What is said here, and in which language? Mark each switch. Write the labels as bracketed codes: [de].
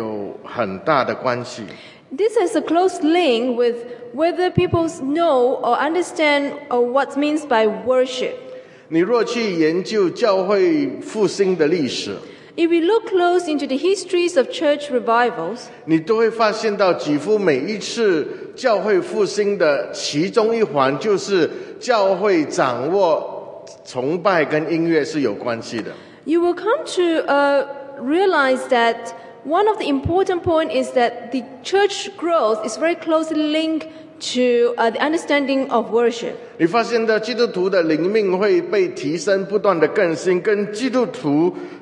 [zh] 这都跟他们对真正认识敬拜有很大的关系。 [en] This has a close link with whether people know or understand or what means by worship. [zh] 你若去研究教会复兴的历史。 [en] If we look close into the histories of church revivals, [zh] 你都会发现到几乎每一次教会复兴的其中一环，就是教会掌握崇拜跟音乐是有关系的。 [en] You will come to realize that one of the important points is that the church growth is very closely linked to the understanding of worship. [zh] 你发现到基督徒的灵命会被提升，不断的更新，跟基督徒